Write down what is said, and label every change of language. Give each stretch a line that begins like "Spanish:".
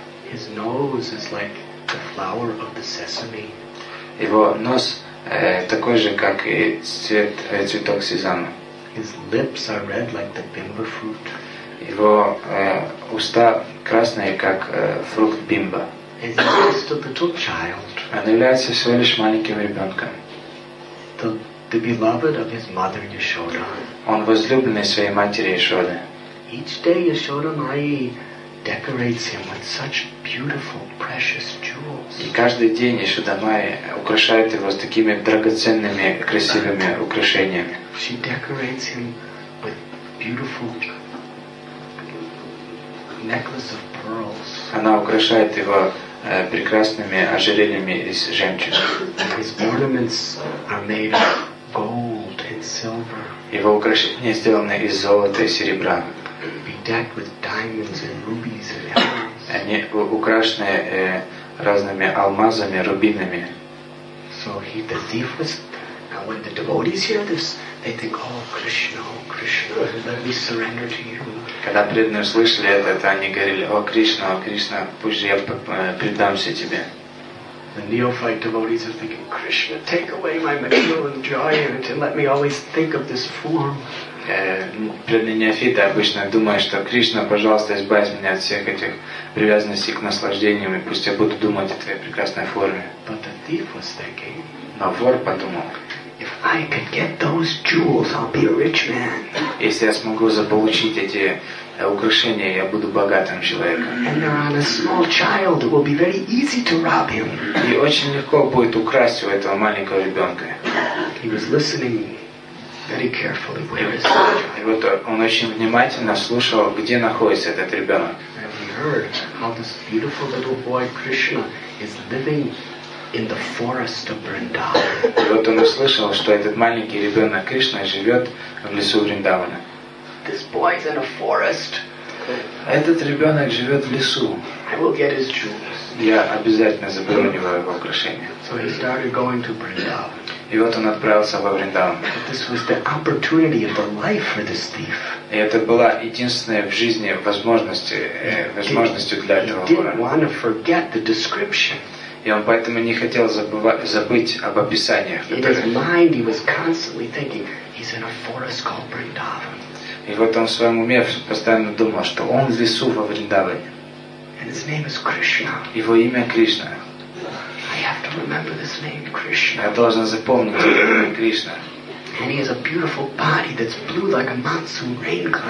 English: His nose is like the flower of the sesame.
Russian: Его нос такой же, как и цвет цветок сезама.
English: His lips are red like the bimba fruit.
Russian: Его уста красные, как фрукт бимба.
English: He's just a little child.
Russian: Он является всего лишь маленьким ребенком.
English: The beloved of his mother Yashoda.
Russian: Он возлюбленный своей матери Яшоды.
English: Each day Yashoda Mai decorates him with such beautiful, precious jewels.
Russian: И каждый день Яшода Майи украшает его с такими драгоценными, красивыми украшениями.
English: She decorates him with beautiful necklace of pearls.
Russian: Она украшает его прекрасными ожерельями из жемчуга.
English: His ornaments are made of gold and silver.
Russian: Его украшения сделаны из золота и серебра.
English: Bedecked with diamonds and rubies and emeralds.
Russian: Они украшены разными алмазами, рубинами.
English: So the thief was. Now when the devotees hear this, they think, oh Krishna, let me surrender to you.
Russian: Когда преданные услышали это, они говорили, о Кришна, пусть я предамся тебе.
English: The neophyte devotees are thinking, Krishna, take away my material enjoyment and let me always think of this form.
Russian: Преданные неофиты обычно думают, что Кришна, пожалуйста, избавь меня от всех этих привязанностей к наслаждениям, и пусть я буду думать о твоей прекрасной форме.
English: But the thief was thinking,
Russian: но вор подумал,
English: if I could get those jewels, I'll be a rich man.
Russian: Если я смогу заполучить эти украшения, я буду богатым человеком.
English: And they're on a small child, it will be very easy to rob him.
Russian: И очень легко будет украсть у этого маленького ребенка.
English: He was listening very carefully. Where is the child?
Russian: И вот он очень внимательно слушал, где находится этот ребенок.
English: And he heard how this beautiful little boy Krishna is living in the forest of Vrindavan.
Russian: И вот он услышал, что этот маленький ребенок Кришна живет в лесу Вриндавана.
English: This boy is in a forest.
Russian: Этот ребенок живет в лесу.
English: I will get his jewels.
Russian: Я обязательно заберу у него его украшения.
English: So he started going to Vrindavan.
Russian: И вот он отправился во Вриндаван.
English: But this was the opportunity of a life for this thief.
Russian: И это была единственная в жизни возможность для этого вора.
English: He didn't want to forget the description.
Russian: и он поэтому не хотел забыть об описаниях. И вот он в своем уме постоянно думал, что он в лесу во Вриндаване.
English: And his name is Krishna.
Russian: Его имя Кришна.
English: I have to remember this name, Krishna.
Russian: Я должен запомнить имя Кришна.
English: And he has a beautiful body that's blue like a monsoon rain cloud.